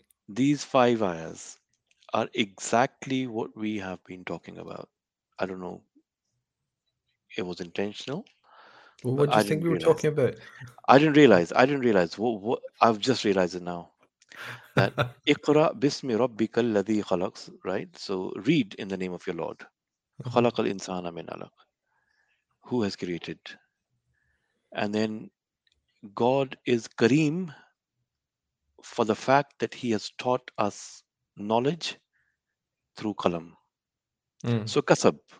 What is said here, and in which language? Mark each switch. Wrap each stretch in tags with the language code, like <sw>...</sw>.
<en>These five ayahs are exactly what we have been talking about. I don't know. It was intentional. Well, what do you think we were talking about? I didn't realize. What I've just realized it now.</en> <ar>That اقرأ بسم ربك الذي خلق, right?</ar> <en>So read in the name of your Lord.</en> <ar>خلق الإنسان من علق.</ar> <en>Who has created? And then God is Kareem for the fact that he has taught us knowledge through qalam. So kasab.</en>